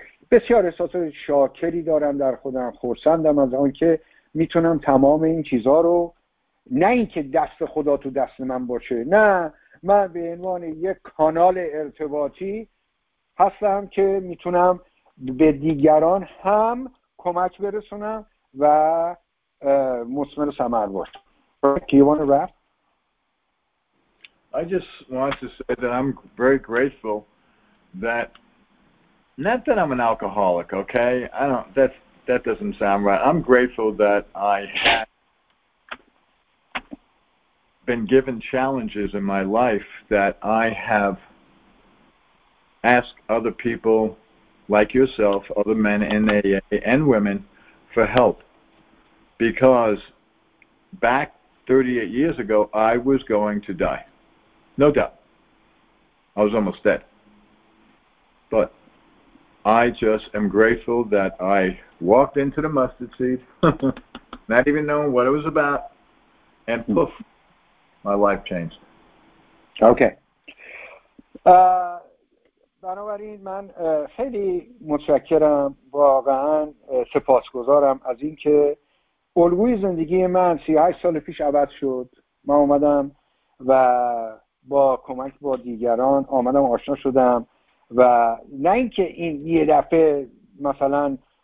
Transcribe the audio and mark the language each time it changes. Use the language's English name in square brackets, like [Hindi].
[Persian] بسیار احساس شاکری دارم در خودم، خرسندم از آن که میتونم تمام این چیزها رو، نه اینکه دست خدا تو دست من باشه، نه، من به عنوان یک کانال ارتباطی هستم که میتونم به دیگران هم کمک برسونم و مثمر ثمر باشه. [English] I just want to say that I'm very grateful that, not that I'm an alcoholic, okay? That doesn't sound right. I'm grateful that I have been given challenges in my life that I have asked other people like yourself, other men in AA, and women, for help. Because back 38 years ago, I was going to die. No doubt. I was almost dead. But I just am grateful that I walked into the mustard seed, not even knowing what it was about, and poof, my life changed. Okay. [Persian] بنابراین من خیلی متشکرم، واقعا سپاسگزارم از اینکه الگوی زندگی من 38 سال پیش عوض شد. من اومدم و با کمک با دیگران اومدم آشنا شدم و نه اینکه این یه دفعه مثلا